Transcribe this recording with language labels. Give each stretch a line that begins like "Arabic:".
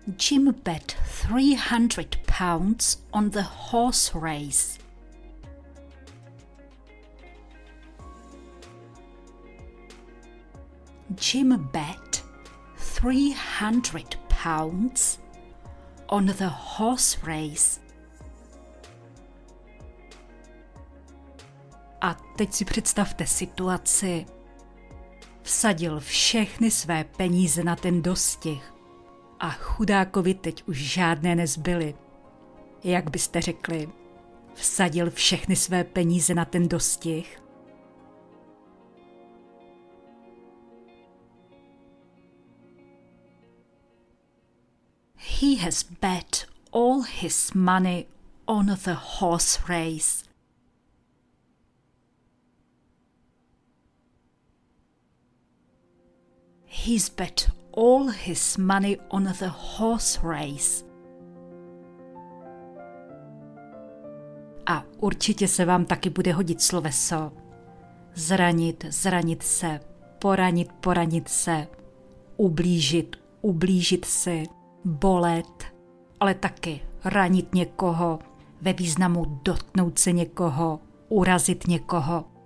English: Jim bet 300 pounds on the horse race. Jim bet 300 pounds on the horse race.
Czech: A teď si představte situaci. Vsadil všechny své peníze na ten dostih. A chudákovi teď už žádné nezbyly. Jak byste řekli, vsadil všechny své peníze na ten dostih?
English: He has bet all his money on the horse race. He's bet all his money on the horse race.
Czech: A určitě se vám taky bude hodit sloveso. Zranit, zranit se. Poranit, poranit se. Ublížit, ublížit si. Bolet, ale taky ranit někoho, ve významu dotknout se někoho, urazit někoho.